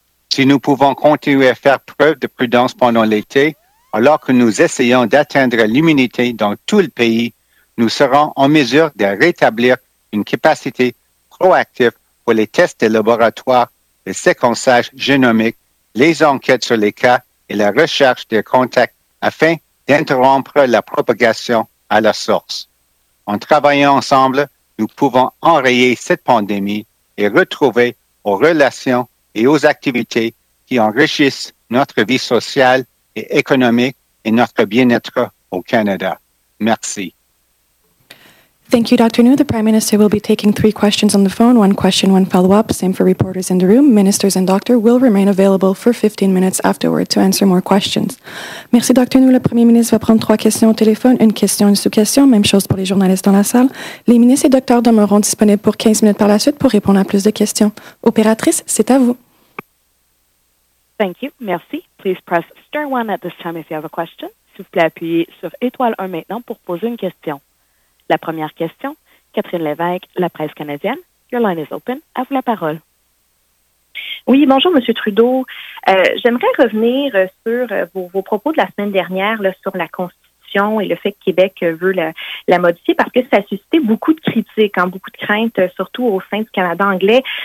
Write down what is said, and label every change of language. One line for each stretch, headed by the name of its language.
French: Si nous pouvons continuer à faire preuve de prudence pendant l'été, alors que nous essayons d'atteindre l'immunité dans tout le pays, nous serons en mesure de rétablir une capacité proactive pour les tests de laboratoire, le séquençage génomique, les enquêtes sur les cas et la recherche des contacts afin d'interrompre la propagation à la source. En travaillant ensemble, nous pouvons enrayer cette pandémie et retrouver aux relations et aux activités qui enrichissent notre vie sociale et économique et notre bien-être au Canada. Merci.
English: Thank you, Dr. Ngu. The Prime Minister will be taking 3 questions on the phone, 1 question, 1 follow-up, same for reporters in the room. Ministers and doctor will remain available for 15 minutes afterward to answer more questions.
French: Merci,
English: Dr.
French: Ngu. Le Premier ministre va prendre 3 questions au téléphone, 1 question, 1 sous-question, même chose pour les journalistes dans la salle. Les ministres et docteurs demeureront disponibles pour 15 minutes par la suite pour répondre à plus de questions. Opératrice, c'est à vous.
English: Thank you,
French: merci.
English: Please press star 1 at this time if you have a question.
French: S'il vous plaît, appuyez sur étoile 1 maintenant pour poser une question. La première question, Catherine Lévesque, La Presse canadienne.
English: Your line is open.
French: À vous la parole. Oui, bonjour, M. Trudeau. J'aimerais revenir sur vos propos de la semaine dernière là, sur la Constitution et le fait que Québec veut la modifier parce que ça a suscité beaucoup de critiques, hein, beaucoup de craintes, surtout au sein du Canada anglais.